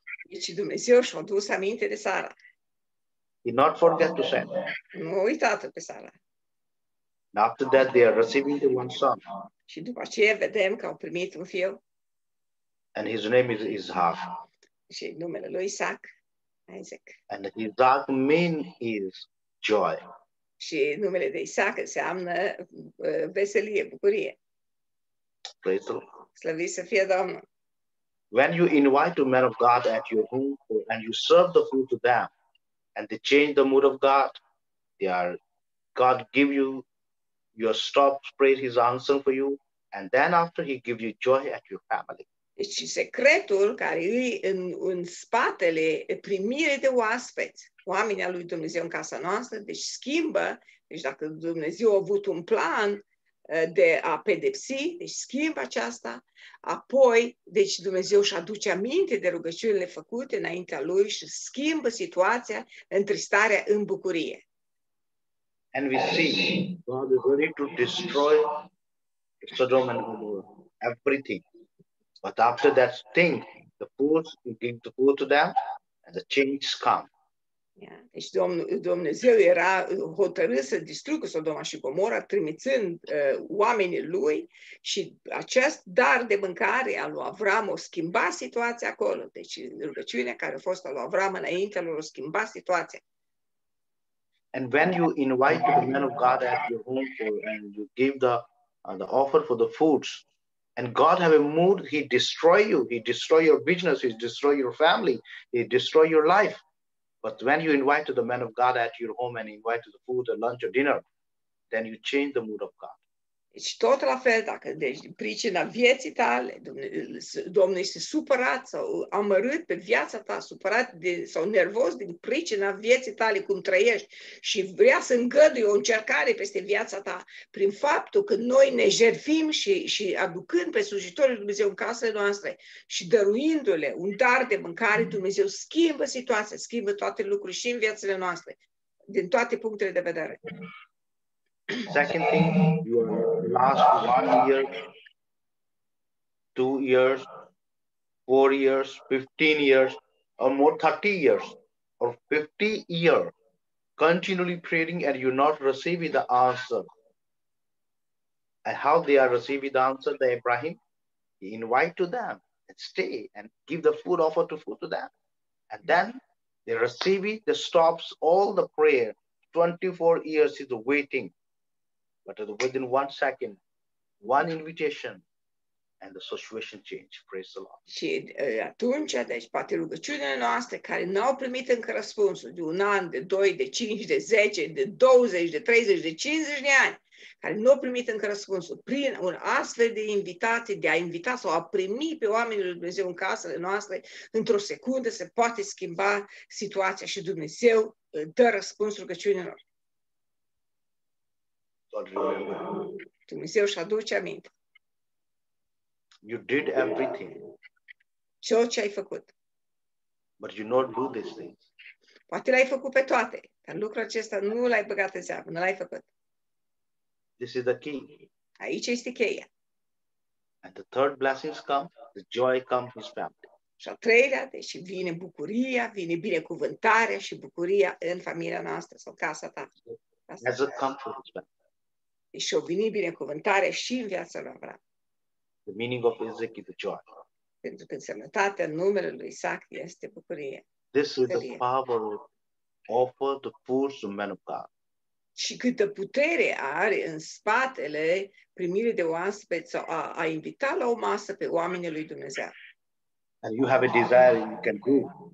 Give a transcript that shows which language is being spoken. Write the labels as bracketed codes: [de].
[ro] deci Dumnezeu și-a dus aminte de Sara. [en] He not forget to send. [ro] Nu a uitat pe Sara. [en] After that they are receiving the one son. [ro] Și după aceea vedem că au primit un fiu. [en] And his name is Isaac. [ro] Și numele lui Isaac. Isaac. [en] And Isaac means is joy. [ro] Și numele de Isaac înseamnă veselie, bucurie. [en] Praise the Lord. [ro] Slăviți să fie Domnul. [en] When you invite a man of God at your home and you serve the food to them and they change the mood of God, they are God give you your stop, praise his answer for you, and then after he gives you joy at your family. [ro] Deci secretul care e în spatele primirii de oaspeți, oamenii lui Dumnezeu în casa noastră, deci schimbă, deci dacă Dumnezeu a avut un plan de a pedepsi, deci schimbă aceasta, apoi, deci Dumnezeu își aduce aminte de rugăciunile făcute înaintea lui și schimbă situația între starea în bucurie. [en] And we see God is ready to destroy Sodom and Gomorrah, everything. But after that thing, the force give the force to them, and the change come. Yeah. [ro] Deci Dumnezeu era hotărât să distrugă Sodoma și Gomora, trimițând oamenii lui, și acest dar de mâncare al lui Avram o schimba situația acolo. Deci rugăciunea care a fost al lui Avram înainte lui o schimba situația. [en] And when you invite the man of God at your home for, and you give the offer for the foods, and God have a mood, he destroy you, he destroy your business, he destroy your family, he destroy your life. But when you invite the man of God at your home and invite the food, the lunch or dinner, then you change the mood of God. [ro] Și tot la fel, dacă deci pricina vieții tale, Domnul este supărat sau amărât pe viața ta, supărat de, sau nervos din pricina vieții tale, cum trăiești, și vrea să îngăduie o încercare peste viața ta, prin faptul că noi ne jertfim și aducând pe slujitorul Dumnezeu în casele noastre și dăruindu-le un dar de mâncare, Dumnezeu schimbă situația, schimbă toate lucrurile și în viațele noastre, din toate punctele de vedere. [en] Second thing, your last 1 year, 2 years, 4 years, 15 years, or more 30 years, or 50 years, continually praying and you're not receiving the answer. And how they are receiving the answer, the Abraham, invite to them and stay and give the food offer to food to them. And then they receive it, they stops all the prayer. 24 years is waiting. But within 1 second, one invitation, and the situation changed. Praise the Lord. [ro] Și atunci, deci, poate rugăciunile noastre care n-au primit încă răspunsul de un an, de doi, de cinci, de zece, de 20, de 30, de 50 de ani, care n-au primit încă răspunsul, prin un astfel de invitație, de a invita sau a primi pe oamenii lui Dumnezeu în casele noastre, într-o secundă se poate schimba situația și Dumnezeu dă răspuns rugăciunilor. Dumnezeu își aduce aminte. [en] You did everything. [ro] Ceea ce ai făcut. [en] But you not do these things. [ro] Poate l-ai făcut pe toate, dar lucrul acesta nu l-ai băgat în seamă, nu l-ai făcut. [en] This is the key. [ro] Aici este cheia. [en] And the third blessings come, the joy comes his family. [ro] Și al treilea, deci vine bucuria, vine binecuvântarea și bucuria în familia noastră sau casa ta. [en] As it comes to his family. [ro] Și o vine binecuvântare și în viața lui Avram. [en] The meaning of Isaac is the joy. [ro] Pentru că însemnătatea numele lui Isaac este bucurie. [en] This is the power offered to poor to men of God. [ro] Și câtă putere are în spatele primirii de oaspeți sau a invita la o masă pe oamenii lui Dumnezeu. [en] And you have a desire you can do.